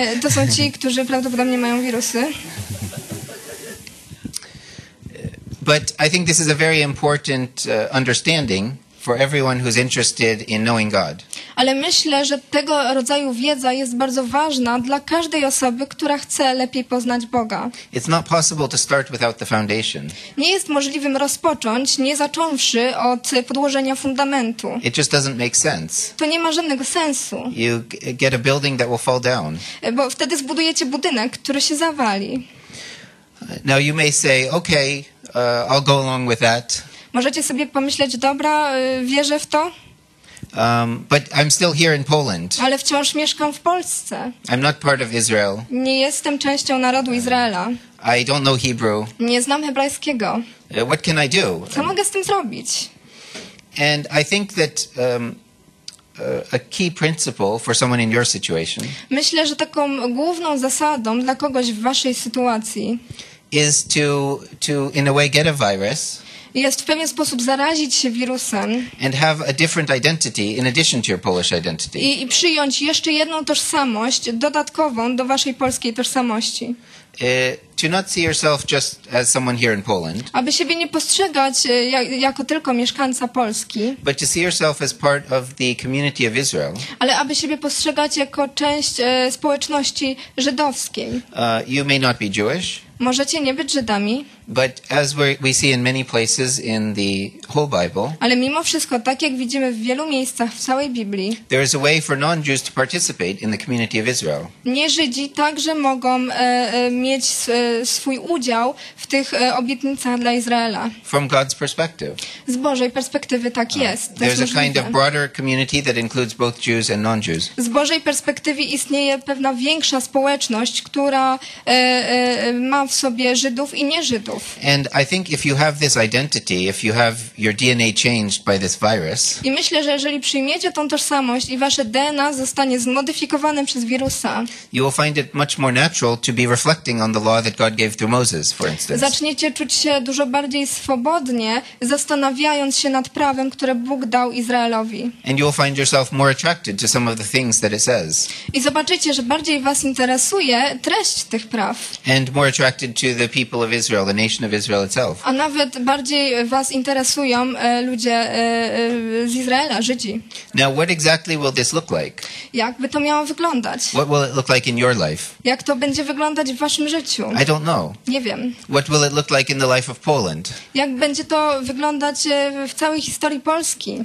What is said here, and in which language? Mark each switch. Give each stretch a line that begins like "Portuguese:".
Polish: To są ci, którzy prawdopodobnie mają wirusy.
English: But I think this is a very important understanding for everyone who's interested in knowing God.
Polish: Ale myślę, że tego rodzaju wiedza jest bardzo ważna dla każdej osoby, która chce lepiej poznać Boga.
English: It's not possible to start without the foundation.
Polish: Nie jest możliwym rozpocząć, nie zacząwszy od podłożenia fundamentu.
English: It just doesn't make sense.
Polish: To nie ma żadnego sensu.
English: You get a building that will fall down.
Polish: Bo wtedy zbudujecie budynek, który się zawali.
English: Now you may say, okay, I'll go along with that.
Polish: Możecie sobie pomyśleć, dobra, wierzę w to.
English: But I'm still here in Poland.
Polish: Ale wciąż mieszkam w Polsce.
English: I'm not part of Israel.
Polish: Nie jestem częścią narodu Izraela.
English: I don't know Hebrew.
Polish: Nie znam hebrajskiego.
English: What can I do?
Polish: Co mogę z tym zrobić?
English: And I think that a key principle for someone in your situation.
Polish: Myślę, że taką główną zasadą dla kogoś w waszej sytuacji
English: is to in a way get a virus.
Polish: Jest w pewien sposób zarazić się wirusem.
English: And have a different identity in addition to your Polish identity.
Polish: I przyjąć jeszcze jedną tożsamość dodatkową do waszej polskiej tożsamości.
English: To not see yourself just as someone here in Poland.
Polish: Aby siebie nie postrzegać jako tylko mieszkańca Polski.
English: But to see yourself as part of the community of Israel.
Polish: Ale aby siebie postrzegać jako część społeczności żydowskiej.
English: You may not be Jewish.
Polish: Możecie nie być Żydami.
English: But as we see in many places in the whole Bible.
Polish: Ale mimo wszystko, tak jak widzimy w wielu miejscach w całej Biblii.
English: There is a way for non-Jews to participate in the community of Israel.
Polish: Nie Żydzi także mogą mieć swój udział w tych obietnicach dla Izraela.
English: From God's perspective.
Polish: Z Bożej perspektywy tak jest.
English: There's a kind of broader community that includes both Jews and non-Jews.
Polish: Z Bożej perspektywy istnieje pewna większa społeczność, która ma w sobie Żydów i nie Żydów.
English: And I think if you have this identity, if you have your DNA changed by this virus.
Polish: I myślę, że jeżeli przyjmiecie tą tożsamość i wasze DNA zostanie zmodyfikowane przez wirusa.
English: You will find it much more natural to be reflecting on the law that God gave through Moses, for instance.
Polish: Zaczniecie czuć się dużo bardziej swobodnie, zastanawiając się nad prawem, które Bóg dał Izraelowi.
English: And you will find yourself more attracted to some of the things that it says.
Polish: I zobaczycie, że bardziej was interesuje treść tych praw.
English: And more attracted to the people of Israel. The nation of Israel itself.
Polish: A nawet bardziej was interesują ludzie z Izraela, Żydzi.
English: Now, what exactly will this look like?
Polish: Jak by to miało wyglądać?
English: What will it look like in your life?
Polish: Jak to będzie wyglądać w waszym życiu?
English: I don't know.
Polish: Nie wiem.
English: What will it look like in the life of Poland?
Polish: Jak będzie to wyglądać w całej historii Polski?